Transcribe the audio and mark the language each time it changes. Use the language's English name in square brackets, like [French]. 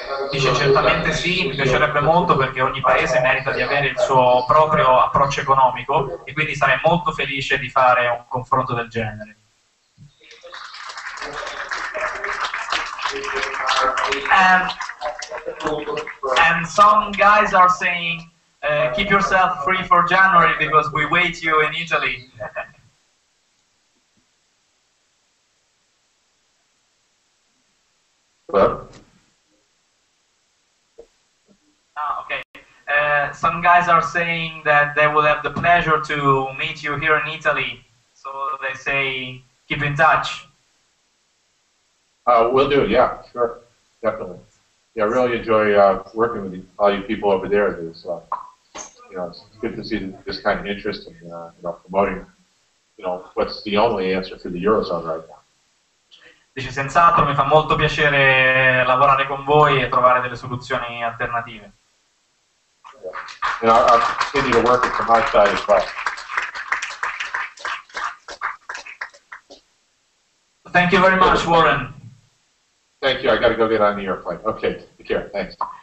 [Italian] Dice certamente sì, mi piacerebbe molto perché ogni paese merita di avere il suo proprio approccio economico e quindi sarei molto felice di fare un confronto del genere. [English] And some guys are saying, keep yourself free for January because we wait you in Italy. Hello? Ah, okay. Some guys are saying that they will have the pleasure to meet you here in Italy. So they say, keep in touch. We'll do, yeah, sure, definitely. Yeah, I really enjoy working with all you people over there. There's, you know, it's good to see this kind of interest in you know, promoting, you know, what's the only answer for the Eurozone right now. [Italian] Dice, senz'altro, mi fa molto piacere lavorare con voi e trovare delle soluzioni alternative. [English] Yeah. You know, I'll continue to work from my side as well. Thank you very much, Warren. Thank you. I got to go get on the airplane. Okay. Take care. Thanks.